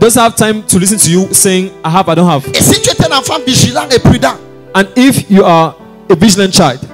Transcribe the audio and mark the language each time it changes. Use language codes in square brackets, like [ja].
[en] doesn't have time to listen to you saying, I have, I don't have. [fr] Et si tu es un enfant vigilant et prudent, [en] and if you are a vigilant child,